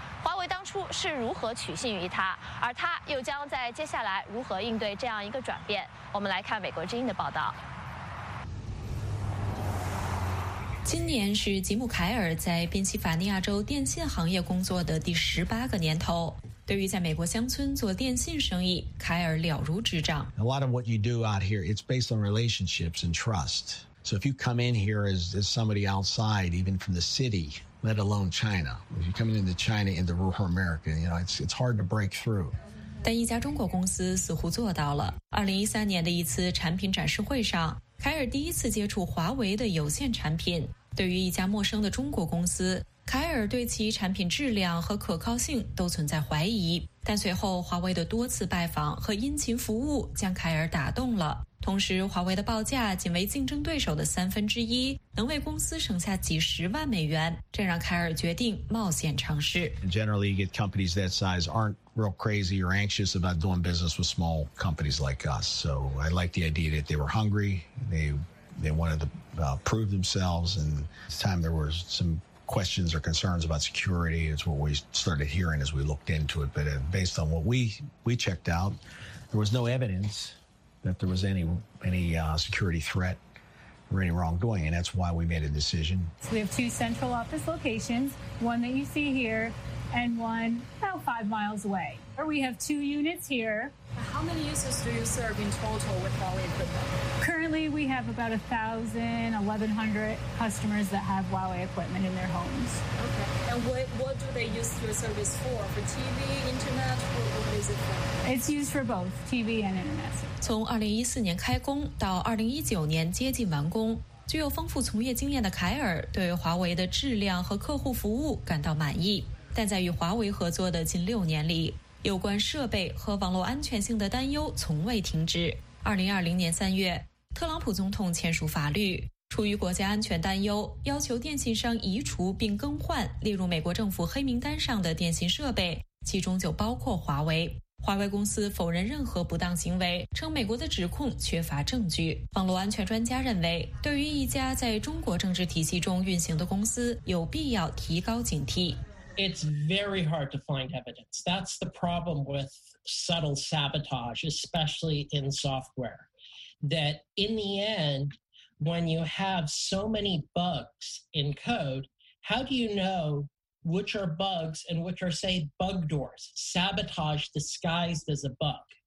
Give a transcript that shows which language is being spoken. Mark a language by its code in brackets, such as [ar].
[zh] 华为当初是如何取信于他，而他又将在接下来如何应对这样一个转变？我们来看美国之音的报道。今年是吉姆·凯尔在宾夕法尼亚州电信行业工作的第18个年头。对于在美国乡村做电信生意，凯尔了如指掌。 [en] A lot of what you do out here, it's based on relationships and trust. So if you come in here as somebody outside, even from the city, let alone China, if you come into China in the rural America, you know, it's hard to break through. [zh] 但一家中国公司似乎做到了。2013年的一次产品展示会上，凯尔第一次接触华为的有线产品。对于一家陌生的中国公司，凯尔对其产品质量和可靠性都存在怀疑。但随后华为的多次拜访和殷勤服务将凯尔打动了。同时，华为的报价仅为竞争对手的三分之一，能为公司省下几十万美元，这让凯尔决定冒险尝试。 [en] Generally, you get companies that size aren't real crazy or anxious about doing business with small companies like us. So I like the idea that they were hungry, they wanted to prove themselves, and this time there were some questions or concerns about security. It's what we started hearing as we looked into it. But based on what we checked out, there was no evidence. That there was any security threat or any wrongdoing, and that's why we made a decision. So we have two central office locations, one that you see here, and one about 5 miles away. Or we have two units here. How many users do you serve in total with Huawei equipment? Currently, we have about 1,100 customers that have Huawei equipment in their homes. Okay, and what do they use your service for? For TV, internet, what is it for? It's used for both TV and internet. [zh] 从2014年开工到2019年接近完工，具有丰富从业经验的凯尔对华为的质量和客户服务感到满意。但在与华为合作的近六年里，有关设备和网络安全性的担忧从未停止。 2020年3月，特朗普总统签署法律，出于国家安全担忧，要求电信商移除并更换列入美国政府黑名单上的电信设备，其中就包括华为。华为公司否认任何不当行为，称美国的指控缺乏证据。网络安全专家认为，对于一家在中国政治体系中运行的公司，有必要提高警惕。 [en] It's very hard to find evidence. That's the problem with subtle sabotage, especially in software. That in the end, when you have so many bugs in code, how do you know? Which are bugs and which are, say, bug doors, sabotage disguised as a bug.